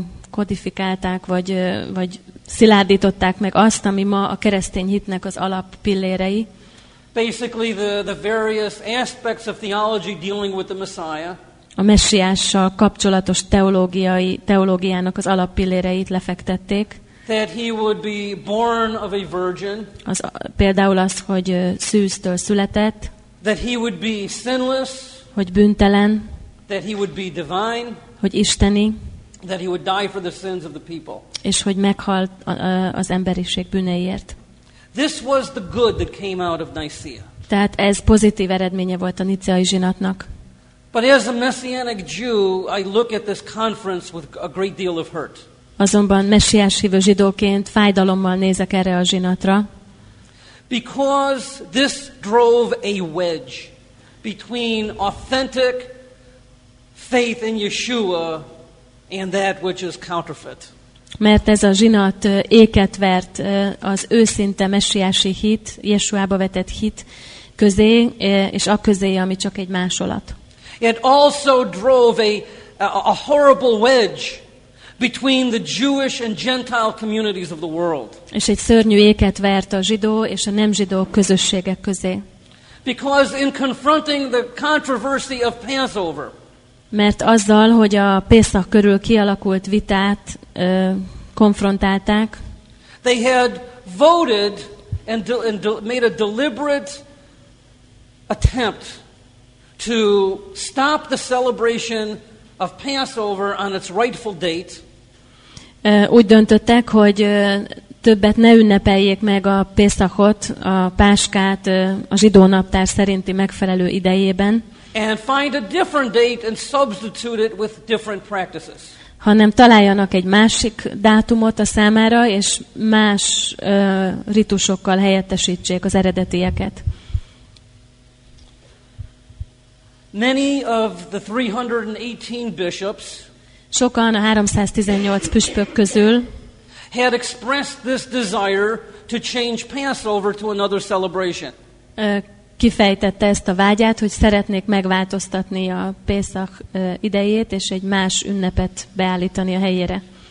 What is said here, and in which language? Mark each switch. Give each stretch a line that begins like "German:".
Hungarian: Kodifikálták vagy szilárdították meg azt, ami ma a keresztény hitnek az alap pillérei.
English: Basically the various aspects of theology dealing with the Messiah.
Hungarian: A messiással kapcsolatos teológiának az alappilléreit lefektették.
English: That he would be born of a virgin.
Hungarian: Az például az, hogy szűztől született.
English: That he would be sinless.
Hungarian: Hogy bűntelen.
English: That he would be divine.
Hungarian: Hogy isteni.
English: That he would die for the sins of the people.
Hungarian: És hogy meghalt az emberiség bűneiért.
English: This was the good that came out of Nicaea.
Hungarian: Tehát ez pozitív eredménye volt a niceai zsinatnak.
English: But as a messianic Jew, I look at this conference with a great deal of hurt.
Hungarian: Azonban messiás hívő zsidóként fájdalommal nézek erre a zsinatra.
English: Because this drove a wedge between authentic faith in Yeshua and that which is counterfeit.
Hungarian: Mert ez a zsinat éket vert az őszinte messiási hit, Yeshuába vetett hit közé, és a közé, ami csak egy másolat.
English: It also drove a horrible wedge between the Jewish and Gentile communities of the world.
Hungarian: És egy szörnyű éket vert a zsidó és a nem zsidó közösségek közé.
English: Because in confronting the controversy of Passover.
Hungarian: Mert azzal, hogy a Pészak körül kialakult vitát konfrontálták.
English: They had voted and made a deliberate attempt to stop the celebration of Passover on its rightful date.
Hungarian: Úgy döntöttek, hogy többet ne ünnepeljék meg a Pészakot, a Páskát a zsidó naptár szerinti megfelelő idejében.
English: And find a different date and substitute it with different practices.
Hungarian: Hanem találjanak egy másik dátumot a számára, és más ritusokkal helyettesítsék az eredetieket.
English: Many of the 318 bishops,
Hungarian: sokan a 318 püspök közül,
English: had expressed this desire to change Passover to another celebration.
Hungarian: Kifejtette ezt a vágyát, hogy szeretnék megváltoztatni a Pészak idejét és egy más ünnepet beállítani a helyére.